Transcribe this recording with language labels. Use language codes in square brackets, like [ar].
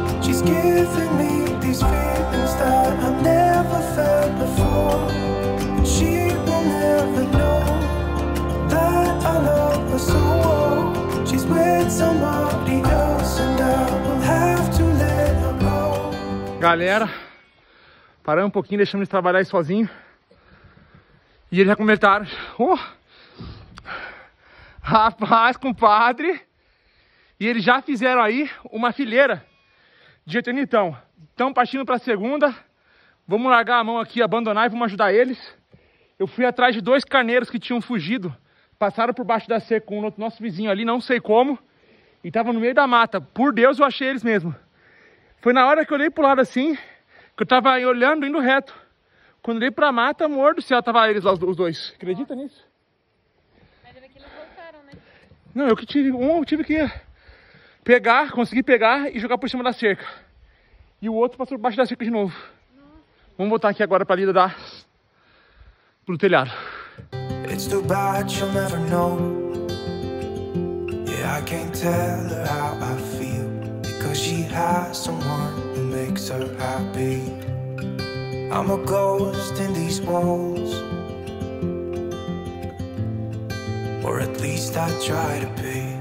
[en] She's giving me these feelings that I've never felt before. She will never know that I love her so well. She's with somebody else and I will have to let her go. [pt] Galera, parando um pouquinho, deixamos de trabalhar aí sozinho. E eles já comentaram. Oh, rapaz, compadre. E eles já fizeram aí uma fileira de eternitão. Estão partindo para a segunda. Vamos largar a mão aqui, abandonar e vamos ajudar eles. Eu fui atrás de dois carneiros que tinham fugido. Passaram por baixo da seca com o nosso vizinho ali, não sei como. E estavam no meio da mata. Por Deus, eu achei eles mesmo. Foi na hora que eu olhei pro lado assim, que eu tava olhando, indo reto. Quando eu dei pra mata, amor do céu, tava eles lá, os dois. Acredita Nossa. Nisso? Mas era que eles voltaram, né? Não, eu que tive. Um eu tive que pegar, consegui pegar e jogar por cima da cerca. E o outro passou por baixo da cerca de novo. Nossa. Vamos voltar aqui agora pra lida da. Pro telhado. [en] It's too bad she'll never know. Yeah, I can't tell her how I feel. Because she has someone. Makes her happy. I'm a ghost in these walls, or at least I try to be.